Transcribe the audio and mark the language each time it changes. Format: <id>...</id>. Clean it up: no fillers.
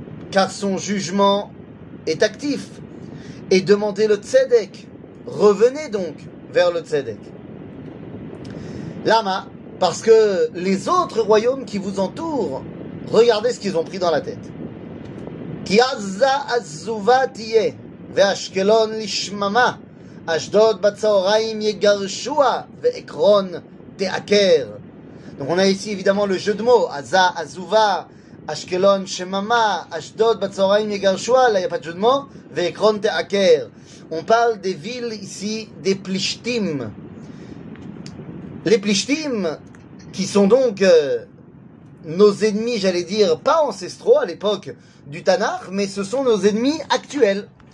<fr>Car son jugement est actif. Et demandez le tzedek. Revenez donc vers le tzedek. Lama, parce que les autres royaumes qui vous entourent, regardez ce qu'ils ont pris dans la tête.</fr> <he>Ki azza azzuva tiye. ואשקלון לשממה, אשדוד בצהריים יגרשוע, ועקרון תעקר.</he> <fr>Donc on a ici évidemment le jeu de mots, Aza, Azuva, Ashkelon, Shemama, Ashdod, Batsoraim, Yegarshua, là il n'y a pas de jeu de mots,</fr> <he>ועקרון תעקר.</he> <fr>On parle des villes ici, des Plishtim. Les Plishtim, qui sont donc nos ennemis, j'allais dire, pas ancestraux à l'époque du Tanakh, mais ce sont nos ennemis actuels.</fr>